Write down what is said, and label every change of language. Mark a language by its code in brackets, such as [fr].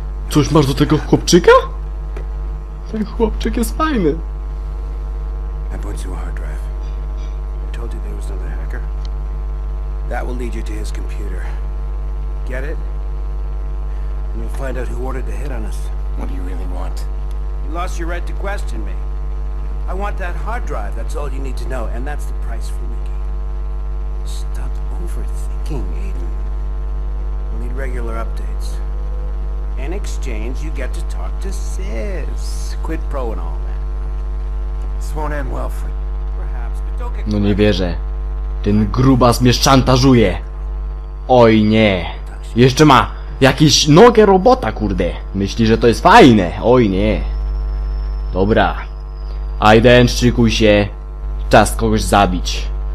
[pl] Coś masz do tego chłopczyka? Ten chłopczyk jest fajny. [en] I put you on a hard drive. I told you there was another hacker. That will lead you to his computer. Get it? And you'll find out who ordered the hit on us. What do you really want? You lost your right to question me. I want that hard drive. That's all you need to know. And that's the price for Mickey. Stop overthinking, Aiden. We need regular updates. In exchange, you get to talk to Sis. Quid pro and all that. This won't end well for you. Perhaps, but don't get... [pl] No nie wierzę. Ten grubas mnie szantażuje. Oj nie. Jeszcze ma jakieś nogę robota, kurde. Myśli, że to jest fajne. Oj nie. Dobra. Aiden, szykuj się. Czas kogoś zabić.